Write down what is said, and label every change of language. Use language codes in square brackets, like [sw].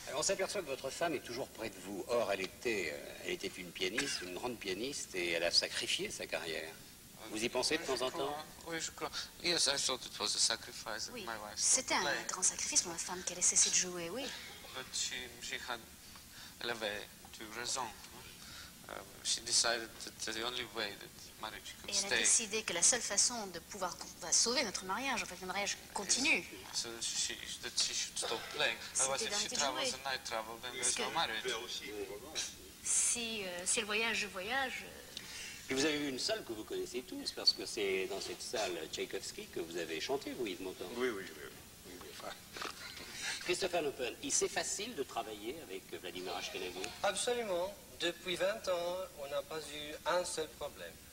[fr] On s'aperçoit que votre femme est toujours près de vous. Or, elle était une pianiste, une grande pianiste, et elle a sacrifié sa carrière. Vous y pensez de temps en temps? Oui, je crois. [en] Yes, I thought it was a sacrifice. [fr] Oui, c'était un grand sacrifice pour ma femme qu'elle ait cessé de jouer, oui. But elle avait du raison. [en] She decided that the only way that marriage could [fr] stay. Et elle a décidé que la seule façon de pouvoir sauver notre mariage, en fait, le mariage continue. [en] So that she should stop playing. Otherwise, if she travels and I travel, then there's no marriage. [fr] Si elle voyage, je voyage. Et vous avez eu une salle que vous connaissez tous, parce que c'est dans cette salle Tchaïkovski que vous avez chanté, vous, Yves Montand. Oui. Christopher Loppen, c'est facile de travailler avec Vladimir Ashkenazy? Absolument. Depuis 20 ans, on n'a pas eu un seul problème.